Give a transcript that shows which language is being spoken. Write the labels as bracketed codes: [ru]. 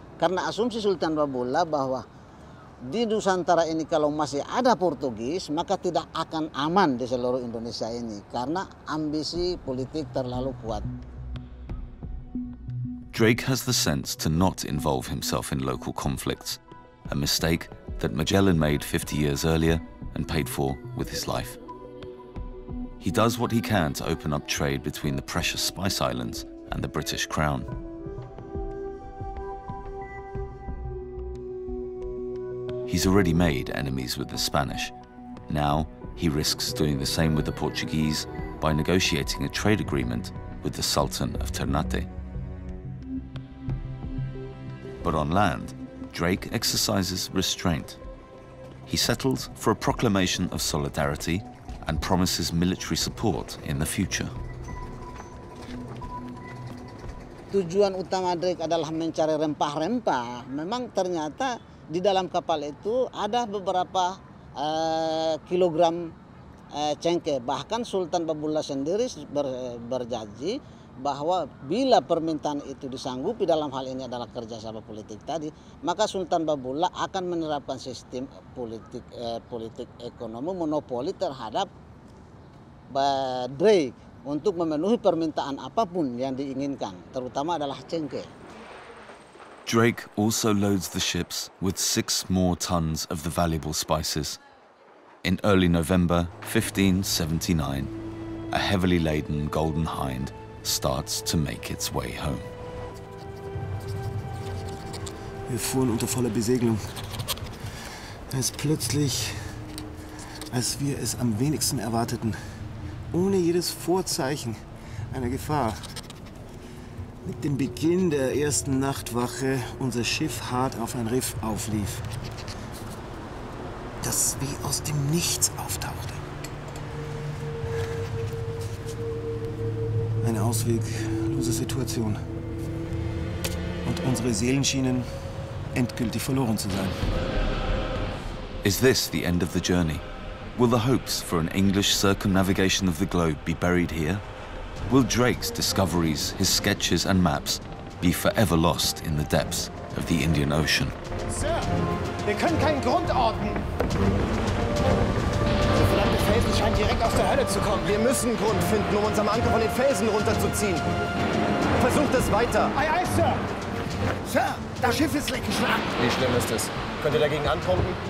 [id] Karena asumsi Sultan Barbula bahwa di Nusantara ini kalau masih ada Portugis, maka tidak akan aman di seluruh Indonesia ini, karena ambisi politik terlalu kuat. [en] Drake has the sense to not involve himself in local conflicts, a mistake that Magellan made 50 years earlier and paid for with his life. He does what he can to open up trade between the precious Spice Islands and the British Crown. He's already made enemies with the Spanish. Now he risks doing the same with the Portuguese by negotiating a trade agreement with the Sultan of Ternate. But on land, Drake exercises restraint. He settles for a proclamation of solidarity and promises military support in the future. [id] Tujuan utama Drake adalah mencari rempah-rempah. Memang ternyata di dalam kapal itu ada beberapa kilogram cengkeh. Bahkan Sultan Barbula sendiri berjanji bahwa bila permintaan itu disanggupi, dalam hal ini adalah kerjasama politik tadi, maka Sultan Barbula akan menerapkan sistem politik ekonomi monopoli terhadap Drake untuk memenuhi permintaan apapun yang diinginkan, terutama adalah cengkeh. [en] Drake also loads the ships with 6 more tons of the valuable spices. In early November 1579, a heavily laden Golden Hind starts to make its way home. [de] Wir fuhren unter voller Besegelung, als plötzlich, als wir es am wenigsten erwarteten, ohne jedes Vorzeichen einer Gefahr, mit dem Beginn der ersten Nachtwache unser Schiff hart auf ein Riff auflief, das wie aus dem Nichts auftauchte. Eine ausweglose Situation. Und unsere Seelen schienen endgültig verloren zu sein. [en] Is this the end of the journey? Will the hopes for an English circumnavigation of the globe be buried here? Will Drake's discoveries, his sketches and maps, be forever lost in the depths of the Indian Ocean? [de] Sir, wir können keinen Grund orten. Der verdammte Felsen scheint direkt aus der Hölle zu kommen. Wir müssen Grund finden, um uns am Anker von den Felsen runterzuziehen. Versucht es weiter. [en] Aye, aye, Sir. [de] Sir, das Schiff ist weggeschlagen. Wie schlimm ist es? Könnt ihr dagegen antrunken?